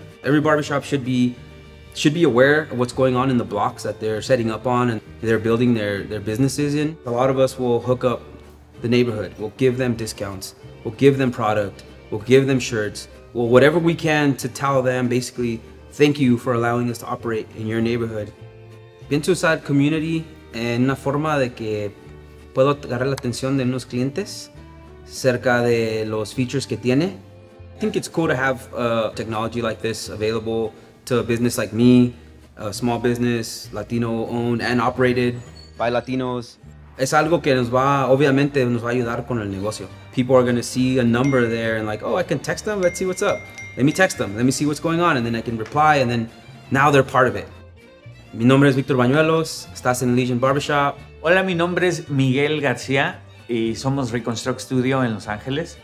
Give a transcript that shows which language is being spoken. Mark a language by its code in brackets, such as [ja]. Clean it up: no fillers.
[en] Every barbershop should be aware of what's going on in the blocks that they're setting up on and they're building their businesses in. A lot of us will hook up the neighborhood. We'll give them discounts. We'll give them product. We'll give them shirts. Well, whatever we can to tell them, basically, thank you for allowing us to operate in your neighborhood. [es] Pienso usar community en una forma de que puedo agarrar la atención de unos clientes cerca de los features que tiene. [en] I think it's cool to have technology like this available to a business like me, a small business, Latino owned and operated by Latinos. [es] Es algo que nos va, obviamente, nos va a ayudar con el negocio. [en] People are gonna see a number there and like, oh, I can text them, let's see what's up. Let me text them, let me see what's going on, and then I can reply, and then now they're part of it. [es] Mi nombre es Victor Bañuelos, estás en Elysian Barbershop. Hola, mi nombre es Miguel García, y somos Reconstruct Studio en Los Ángeles.